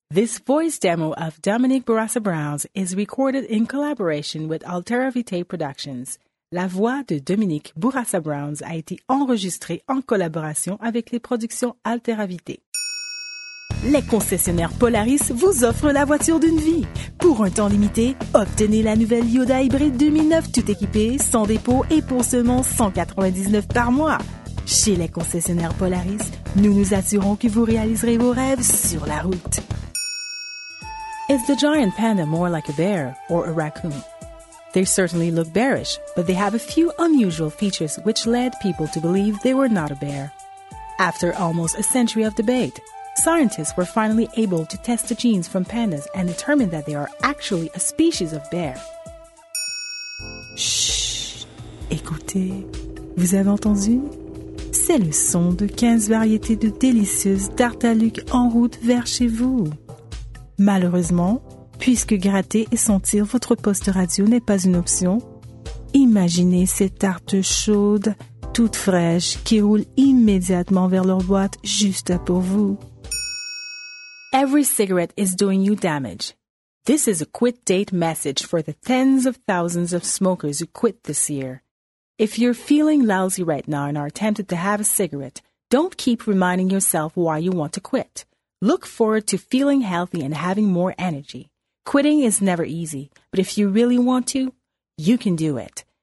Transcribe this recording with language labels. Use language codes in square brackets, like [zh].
[en] This voice demo of Dominique Bourassa Brown's is recorded in collaboration with Altera Vitae Productions. [fr] La voix de Dominique Bourassa Brown's a été enregistrée en collaboration avec les productions Altera Vitae. Les concessionnaires Polaris vous offrent la voiture d'une vie. Pour un temps limité, obtenez la nouvelle Hyundai Hybrid 2009 tout équipée, sans dépôt et pour seulement 199 par mois. Chez les concessionnaires Polaris, nous nous assurons que vous réaliserez vos rêves sur la route. [en] Is the giant panda more like a bear or a raccoon? They certainly look bearish, but they have a few unusual features which led people to believe they were not a bear. After almost a century of debate, scientists were finally able to test the genes from pandas and determine that they are actually a species of bear. [fr] Shh! Écoutez, vous avez entendu? C'est le son de 15 variétés de délicieuses tartaluques en route vers chez vous. Malheureusement, puisque gratter et sentir votre poste radio n'est pas une option, imaginez ces tartes chaudes, toutes fraîches, qui roulent immédiatement vers leur boîte juste pour vous. [en] Every cigarette is doing you damage. This is a quit date message for the tens of thousands of smokers who quit this year. If you're feeling lousy right now and are tempted to have a cigarette, don't keep reminding yourself why you want to quit. Look forward to feeling healthy and having more energy. Quitting is never easy, but if you really want to, you can do it.